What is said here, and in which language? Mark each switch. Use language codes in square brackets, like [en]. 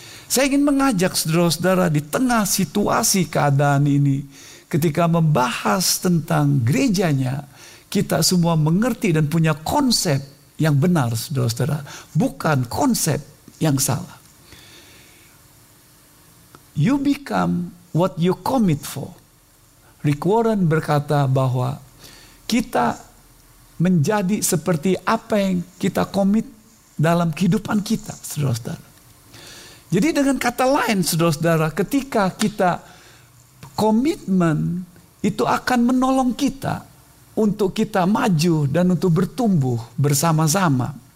[id] Saya ingin mengajak saudara-saudara di tengah situasi keadaan ini, ketika membahas tentang gerejanya, kita semua mengerti dan punya konsep yang benar, saudara-saudara, bukan konsep yang salah. [en] You become what you commit for. [id] Rick Warren berkata bahwa kita menjadi seperti apa yang kita komit dalam kehidupan kita, saudara-saudara. Jadi dengan kata lain, saudara-saudara, ketika kita komitmen, itu akan menolong kita untuk kita maju dan untuk bertumbuh bersama-sama.